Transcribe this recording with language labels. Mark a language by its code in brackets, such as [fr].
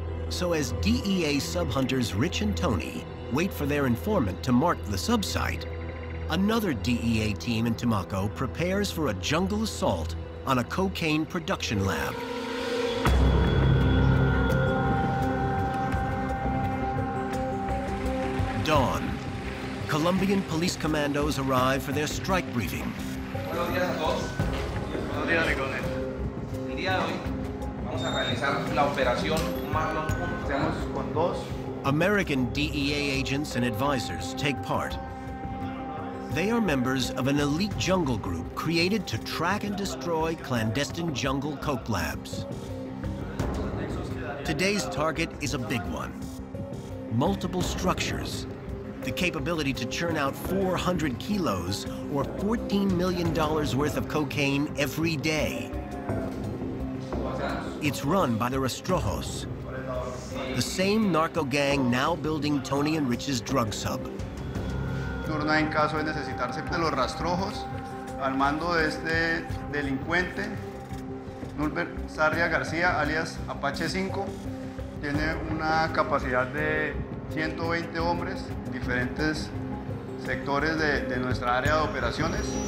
[en] So as DEA sub hunters Rich and Tony wait for their informant to mark the subsite, another DEA team in Tumaco prepares for a jungle assault on a cocaine production lab. Dawn. Colombian police commandos arrive for their strike briefing. [es] Buenos días a todos. Buenos días, Ricardo. El día de hoy vamos a realizar la operación Marlon. Estamos con dos. [en] American DEA agents and advisors take part. They are members of an elite jungle group created to track and destroy clandestine jungle coke labs. Today's target is a big one. Multiple structures, the capability to churn out 400 kilos or $14 million worth of cocaine every day. It's run by the Rastrojos, the same narco gang now building Tony and Rich's drug sub. [es] En caso de necesitarse de los rastrojos, al mando de este delincuente, Nulber Sarria García, alias Apache 5, tiene una capacidad de 120 hombres en diferentes sectores de nuestra área de operaciones.